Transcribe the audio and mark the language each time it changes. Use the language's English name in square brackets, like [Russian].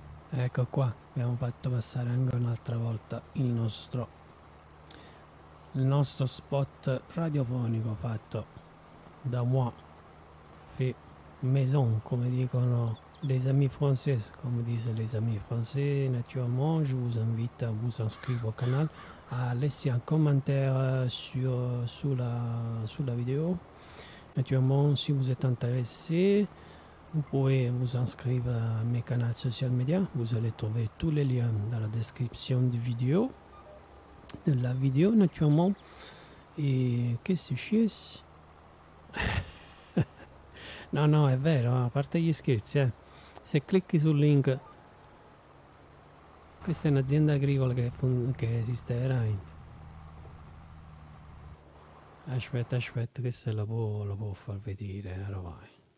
[Italian] Ecco qua, abbiamo fatto passare anche un'altra volta il nostro spot radiofonico fatto da [French] moi fait maison, [Italian] come dicono [French] les amis français, [Italian] come dice les amis français. [French] Naturellement, je vous invite à vous inscrire au canal, à laisser un commentaire sur la vidéo. Naturellement, si vous êtes intéressé, vous pouvez vous inscrire à mes canaux social media. Vous allez trouver tous les liens dans la description de la vidéo, naturellement. Et qu'est-ce que c'est? [Italian] No, è vero, a parte gli scherzi, se clicchi sul link, questa è un'azienda agricola che esiste veramente. Aspetta, questa la può far vedere, allora vai.